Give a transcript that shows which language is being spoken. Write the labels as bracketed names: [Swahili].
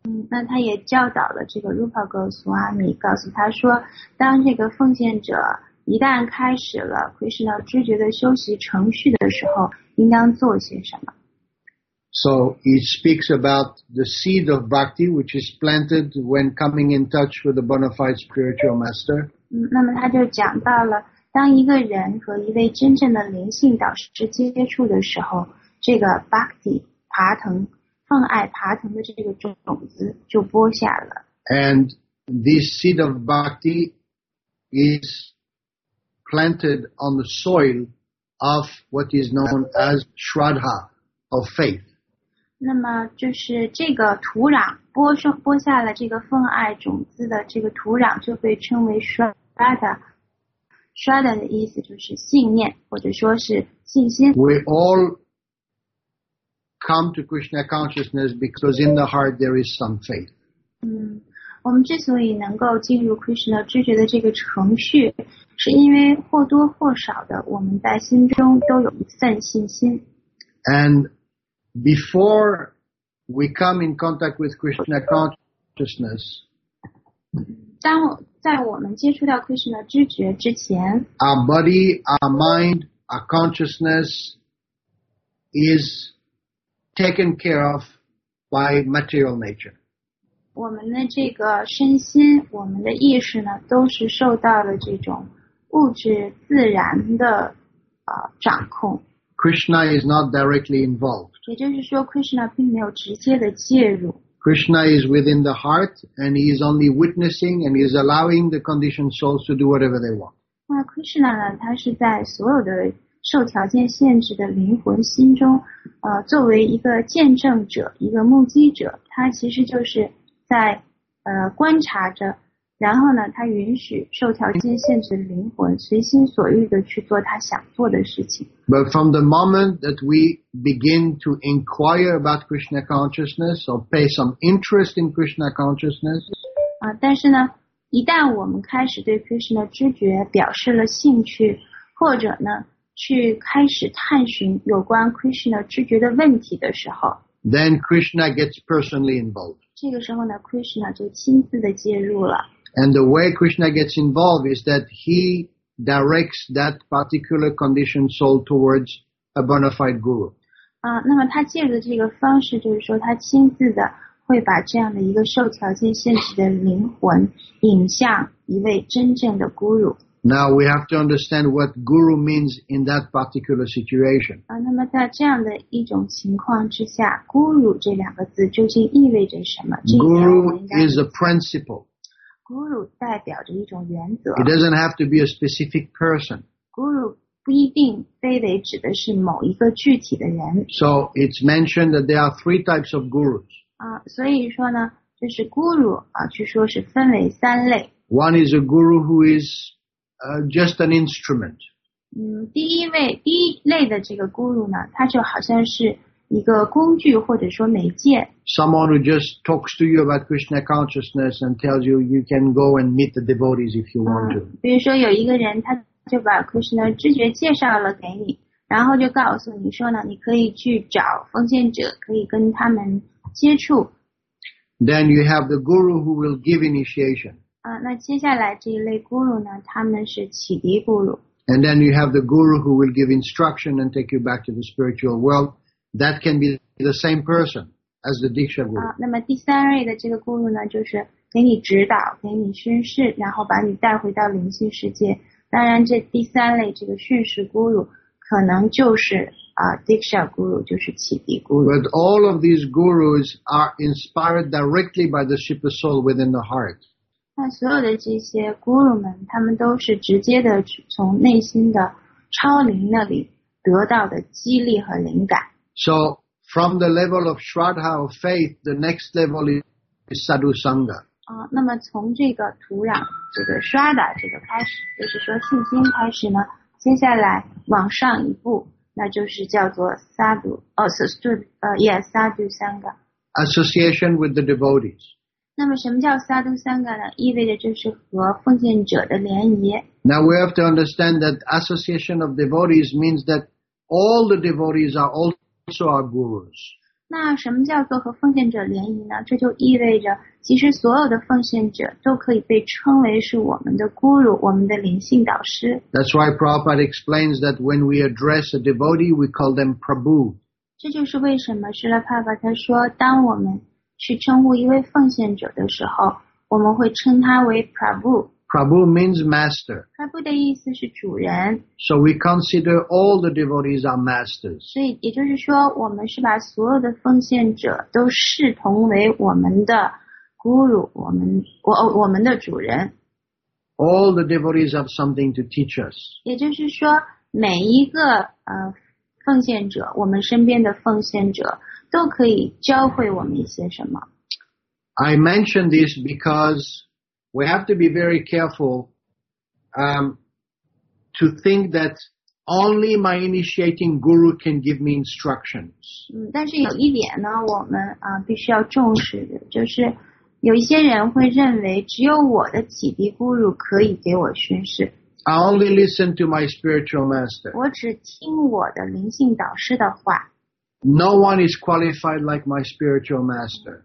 [Chinese] 那他也教导了这个 Rupa Goswami， 告诉他说，当这个奉献者一旦开始了 Krishna 知觉的修习程序的时候，应当做些什么。 [English] So it speaks about the seed of bhakti, which is planted when coming in touch with the bona fide spiritual master. [Chinese] 那么他就讲到了，当一个人和一位真正的灵性导师接触的时候，这个 bhakti 爬藤，奉爱爬藤的这个种子就播下了。 [English] And this seed of bhakti is planted on the soil of what is known as shraddha of faith. [Chinese] 那么就是这个土壤播下了这个奉爱种子的这个土壤就被称为 Shraddha。 Shraddha 的意思就是信念或者说是信心。 [English] We all come to Krishna consciousness because in the heart there is some faith. [Chinese] 我们之所以能够进入 Krishna 知觉的这个程序是因为或多或少的我们在心中都有一份信心。 [English] And,Before we come in contact with Krishna consciousness, [Chinese] 在我们接触到 Krishna 知觉之前 [English] our body, our mind, our consciousness is taken care of by material nature. [Chinese] 我们的这个身心，我们的意识呢，都是受到了这种物质自然的掌控。 [English] Krishna is not directly involved. [Chinese] 也就是说 Krishna 并没有直接的介入。 [English] Krishna is within the heart and he is only witnessing and he is allowing the conditioned souls to do whatever they want. [Chinese] 那 Krishna 呢他是在所有的受条件限制的灵魂心中作为一个见证者一个目击者他其实就是在观察着然后呢他允许受条件限制的灵魂随心所欲的去做他想做的事情。 [English] But from the moment that we begin to inquire about Krishna consciousness or pay some interest in Krishna consciousness, [Chinese] 但是呢，一旦我们开始对 Krishna 知觉表示了兴趣，或者呢，去开始探寻有关 Krishna 知觉的问题的时候， [English] then Krishna gets personally involved. [Chinese] 这个时候呢， Krishna 就亲自的介入了。 [English] And the way Krishna gets involved is that he... directs that particular conditioned soul towards a bona fide guru. [Chinese] 那么他借着这个方式就是说他亲自的会把这样的一个受条件限制的灵魂引向一位真正的 guru. [English] Now we have to understand what guru means in that particular situation. [Chinese] 那么在这样的一种情况之下 guru 这两个字究竟意味着什么 [English] Guru is a principle. [Chinese] Guru 代表着一种原则。 [English] It doesn't have to be a specific person. [Chinese] Guru 不一定非得指的是某一个具体的人。 [English] So it's mentioned that there are three types of gurus. [Chinese] 所以说呢，就是 guru 据说是分为三类。 [English] One is a guru who is just an instrument. [Chinese] 第一类的这个 guru 呢，他就好像是一个工具或者说媒介。 [English] Someone who just talks to you about Krishna consciousness and tells you you can go and meet the devotees if you want to. [Chinese] 比如说有一个人他就把 Krishna 知觉介绍了给你然后就告诉你说呢你可以去找奉献者可以跟他们接触。 [English] Then you have the guru who will give initiation. [Chinese] 那接下来这一类 guru 呢他们是启迪 guru. [English] And then you have the guru who will give instruction and take you back to the spiritual world. That can be the same person as the Diksha Guru. [Chinese] 那么第三类的这个 Guru 呢，就是给你指导，给你训示，然后把你带回到灵性世界。当然，这第三类这个训示 Guru 可能就是Diksha Guru， 就是启迪 Guru. [English] But all of these Gurus are inspired directly by the Shiva Soul within the heart. [Chinese] 那所有的这些 Guru 们，他们都是直接的从内心的超灵那里得到的激励和灵感。 [English] So, from the level of Shraddha of faith, the next level is Sadhu Sangha. [Chinese] 那么从这个土壤，这个 Shraddha 这个开始，就是说信心开始呢，接下来往上一步，那就是叫做 Sadhu, Sadhu Sangha. [English] Association with the devotees. [Chinese] 那么什么叫 Sadhu Sangha 呢？意味着就是和奉献者的联谊。 [English] Now we have to understand that association of devotees means that all the devotees are also our gurus. [Chinese] 那什么叫做和奉献者联谊呢？这就意味着其实所有的奉献者都可以被称为是我们的 guru, 我们的灵性导师。 [English] That's why Prabhupada explains that when we address a devotee, we call them Prabhu. [Chinese] 这就是为什么Srila Prabhupada他说当我们去称呼一位奉献者的时候我们会称他为 Prabhu。 [English] Prabhu means master. [Chinese] Prabhu 的意思是主人。 [English] So we consider all the devotees our masters. [Chinese] 所以也就是说我们是把所有的奉献者都视同为我们的 guru, 我们的主人。 [English] All the devotees have something to teach us. [Chinese] 也就是说每一个奉献者我们身边的奉献者都可以教会我们一些什么。 [English] I mention this because we have to be very careful, to think that only my initiating guru can give me instructions. [Chinese] 但是有一点呢我们必须要重视的就是有一些人会认为只有我的启迪guru guru 可以给我宣示。 [English] I only listen to my spiritual master. [Chinese] 我只听我的灵性导师的话。 [English] No one is qualified like my spiritual master.